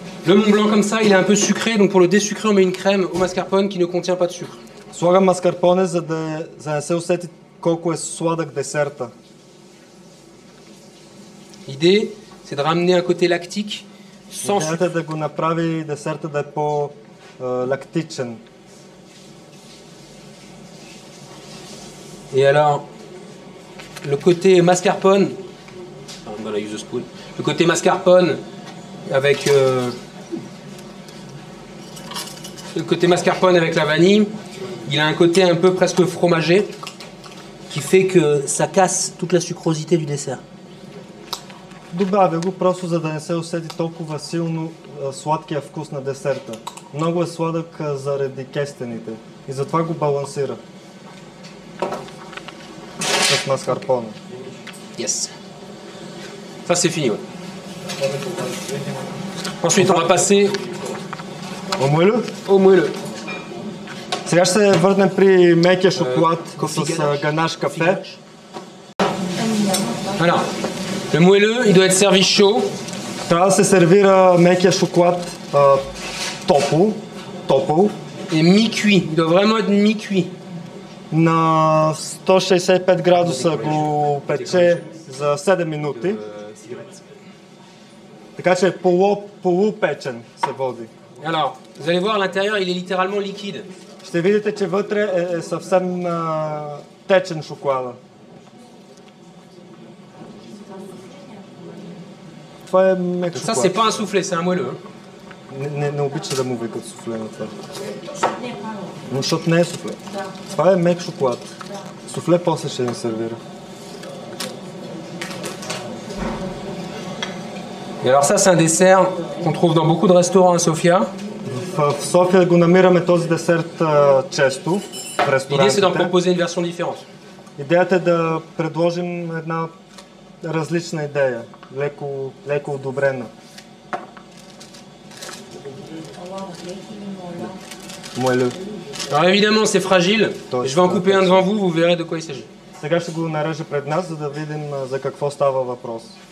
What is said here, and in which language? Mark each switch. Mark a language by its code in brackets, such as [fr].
[fr] Le Mont Blanc comme ça, il est un peu sucré, donc pour le désucrer, on met une crème au mascarpone qui ne contient pas de sucre. [bg] Слагам маскарпоне, за да не се усети колко е сладък десерта. [fr] L'idée, c'est de ramener un côté lactique sans sucre. [bg] Идеята е да го направи десерта да е по-лактичен. [fr] Et alors, le côté mascarpone, [en] I'm gonna use a spoon, [fr] le côté mascarpone avec... Le côté mascarpone avec la vanille, il a un côté un peu presque fromagé qui fait que ça casse toute la sucrosité du dessert. [bg] Добавя го просто за да не се усети толкова силно сладкия вкус на десерта. Много е сладък заради кестените и затова го балансира с маскарпоне. [fr] Yes. Ça c'est fini. Ouais. Ensuite, on va passer au moelleux. Au moelleux. [bg] Сега ще се върнем при мекия шоколад с ганаш кафе. [fr] Alors, le moelleux, il doit être servi chaud. [bg] Трябва да се сервира мекия шоколад топло. Топло. [fr] Et mi-cuit. Il doit vraiment être mi-cuit. [bg] На 165 градуса го пече за 7 минути. Така че полупечен се води. [fr] Alors, vous allez voir, l'intérieur, il est littéralement liquide. [bg] ще видите, че вътре е съвсем течен шоколада. Това е мек шоколад. Това не е па суфле, това е муело. Не обича да му викат суфле на това. Но защото не е суфле. Това е мек шоколад. Суфле после ще ни сервира. [fr] Et alors ça c'est un dessert qu'on trouve dans beaucoup de restaurants à Sofia. [bg] В София го намираме този десерт често в ресторантите. Идеята е да пропозим една версия диферент. Идеята е да предложим една различна идея, леко одобрена. Моле. [fr] Alors évidemment c'est fragile. Je vais en couper un devant vous, vous verrez de quoi il s'agit. [bg] Сега ще го нарежа пред нас, за да видим за какво става въпрос.